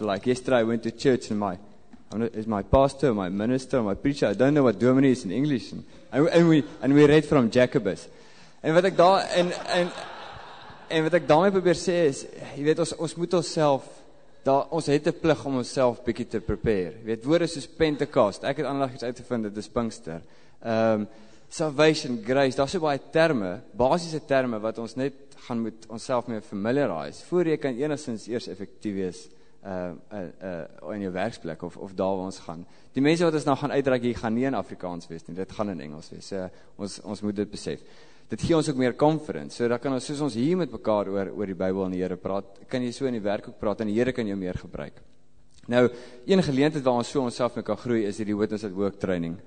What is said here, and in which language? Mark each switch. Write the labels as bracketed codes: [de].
[en] Like, yesterday I went to church, and my pastor, my minister, my preacher, I don't know what Dominee is in English, and we read from Jacobus. [af] En wat ek daarmee probeer sê is, jy weet, ons moet onsself, ons het 'n plig om onsself bietjie te prepare. Jy weet, woorde soos Pentecost, ek het aanlag iets uitgevind, dit is Pinkster. Salvation, grace, daar is so baie terme, basiese terme, wat ons net gaan moet onsself mee familiarise, voor jy kan enigszins eers effectief wees in jou werksplek, of daar waar ons gaan. Die mense wat ons nou gaan uitdraak, hier gaan nie in Afrikaans wees nie, dit gaan in Engels wees, so, ons moet dit besef. Dit gee ons ook meer conference, so dat kan ons, soos ons hier met mekaar oor die Bybel en die Here praat, kan jy so in die werk ook praat, en die Here kan jou meer gebruik. Nou, een geleentheid waar ons so onsself mee kan groei, is die Witness at Work training.